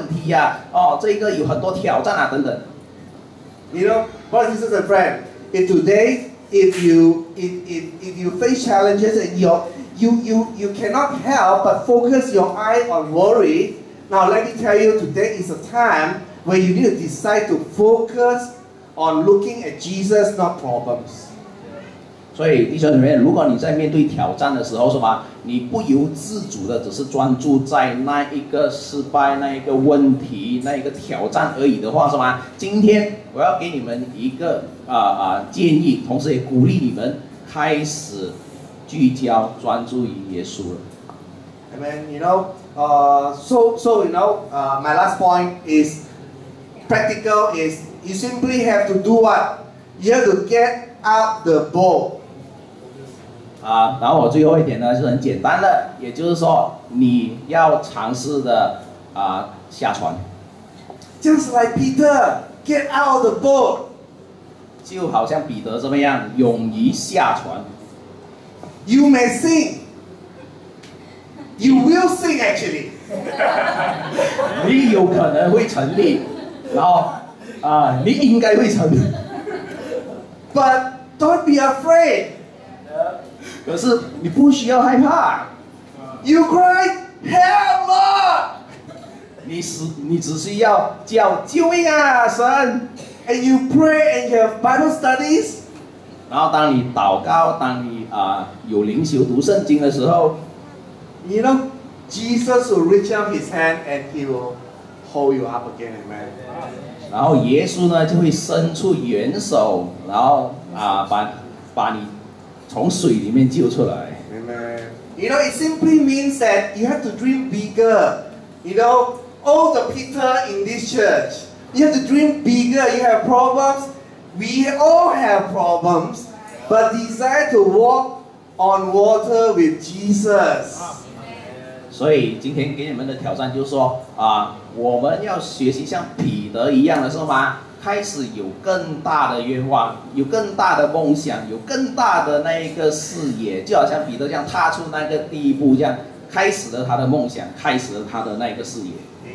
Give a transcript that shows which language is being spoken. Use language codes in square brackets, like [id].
[zh] 所以当我们遇到挑战还是遇到一些失败的时候，我们是否会不会只是专注于像彼得沉溺的那一个情景而已？就好像我们只是专注在这个事情失败了，这个东西很多问题呀，这个有很多挑战等等。 [en] You know, brothers and friends, if today if you face challenges and you cannot help but focus your eye on worry. Now let me tell you, today is a time where you need to decide to focus on looking at Jesus, not problems. [zh] 所以弟兄姐妹，如果你在面对挑战的时候，是吧？你不由自主的只是专注在那一个失败、那一个问题、那一个挑战而已的话，是吧？今天我要给你们一个建议，同时也鼓励你们开始。聚焦专注于耶稣了。Amen. [en] You know, so you know, my last point is practical. Is you simply have to do what? You have to get up the ball. [zh] 然后我最后一点呢是很简单的，也就是说你要尝试的下船。 [en] Just like Peter, get out of the boat. [zh] 就好像彼得这么样，勇于下船。 [en] You may sink. You will sink, actually. [zh] 你有可能会沉溺，然后你应该会沉溺。 [en] But don't be afraid. [zh] 可是你不需要害怕。 [en] You cry, help, Lord. [zh] 你只需要叫救命啊，神。 [en] And you pray and you have Bible studies. [zh] 然后当你祷告，当你有灵修读圣经的时候 [en] ，You know, Jesus will reach out His hand and He will hold you up again, amen. [zh] 然后耶稣呢就会伸出援手，然后把你从水里面救出来。 [en] Amen. You know, it simply means that you have to dream bigger. You know, all the Peter in this church. You have to dream bigger. You have problems. We all have problems, but desire to walk on water with Jesus. [zh] 所以今天给你们的挑战就是说，我们要学习像彼得一样的是吗？开始有更大的愿望，有更大的梦想，有更大的那一个视野，就好像彼得这样踏出那个第一步，这样开始了他的梦想，开始了他的那个视野。